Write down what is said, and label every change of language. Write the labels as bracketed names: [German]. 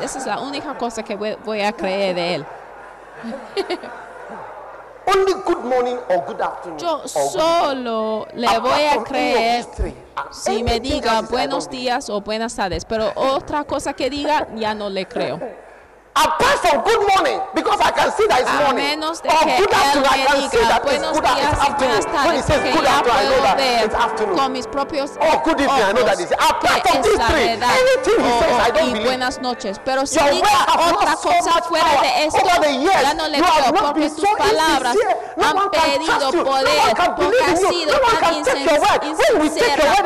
[Spanish] Esa es la única cosa que voy a creer de él. [English] Only good morning or good afternoon. [Spanish] Yo solo le voy a creer si me diga buenos días o buenas tardes, pero otra cosa que diga ya no le creo. [English] Apart from good morning, because I can see that it's morning. [Spanish] A menos de que él me diga buenos días y buenas tardes, porque ya puedo ver con mis propios ojos que es la verdad y buenas noches. Pero si diga otra cosa fuera de esto, ya no le creo, porque tus palabras han perdido poder, porque has sido tan insincera.